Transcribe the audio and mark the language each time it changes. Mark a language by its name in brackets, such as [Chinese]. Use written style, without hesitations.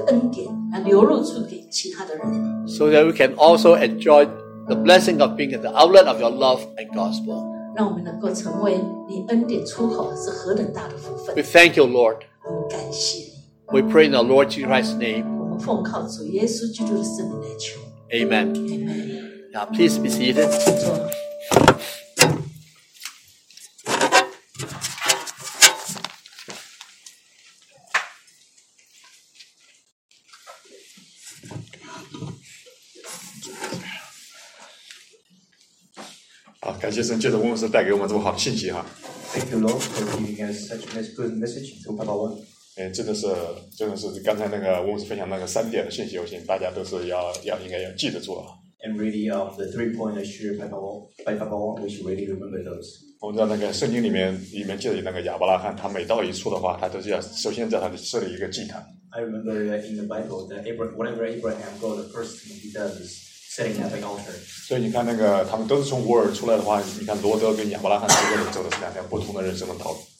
[English] So that we can also enjoy the blessing of being the outlet of your love and gospel. [Chinese] 让我们能够成为你恩典出口，是何等大的福分。 [English] We thank you, Lord. [Chinese] 我们感谢你。 [English] We pray in the Lord Jesus Christ's name. [Chinese] 我们奉靠主耶稣基督的圣名来求。 [English] Amen. Amen. Now, please be seated. [Chinese] 感谢神，借着温牧师带给我们这么好的信息哈。 [English] Thank you, Lord, for giving us such a nice good message to Papa Wang. [Chinese] 哎，真的是刚才那个温牧师分享那个三点的信息，我想大家都是应该要记得住啊。 [English] And really, the three points shared by Papa Wang, we should really remember those. [Chinese] 我们知道那个圣经里面记得那个亚伯拉罕，他每到一处的话，他都是要首先在他的设立一个祭坛。 [English] I remember in the Bible that whenever Abraham goes, the first thing he does is. [Chinese] 所以你看那个他们都是从乌尔出来的话，你看罗德跟亚伯拉罕这个走的是两条不同的人生的道路。